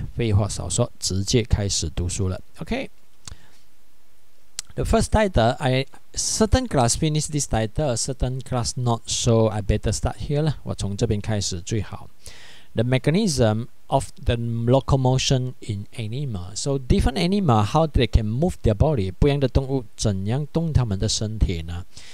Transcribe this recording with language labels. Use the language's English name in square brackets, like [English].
[Chinese] 废话少说, 直接开始读书了. [English] Okay, the first title, I certain class finish this title, certain class not, so I better start here. [Chinese] 我从这边开始最好. [English] The mechanism of the locomotion in animals. So different animals, how they can move their body. [Chinese] 不一样的动物怎样动他们的身体呢?